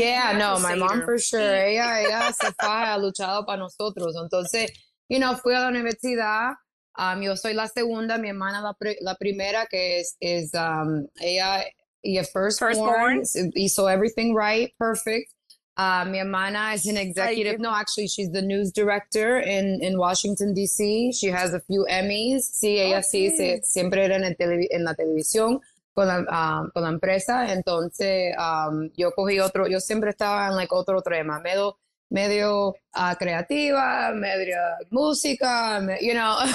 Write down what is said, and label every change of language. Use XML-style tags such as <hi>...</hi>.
<en>Yeah, no, my mom for sure.</en> <es>Ella se fue, ha luchado para nosotros. Entonces, you know, fui a la universidad. Yo soy la segunda, mi hermana la primera, que es ella, y a firstborn. Hizo</es> <en>everything right, perfect.</en> <es>Mi hermana</es> <en>is an executive. No, actually, she's the news director in Washington, D.C. She has a few Emmys.</en> <es>Sí, ella</es> <en>okay.</en> <es>Sí, sí, siempre era en la televisión con la empresa. Entonces, yo cogí otro, yo siempre estaba en like, otro tema, medio creativa, medio música, you know.</es>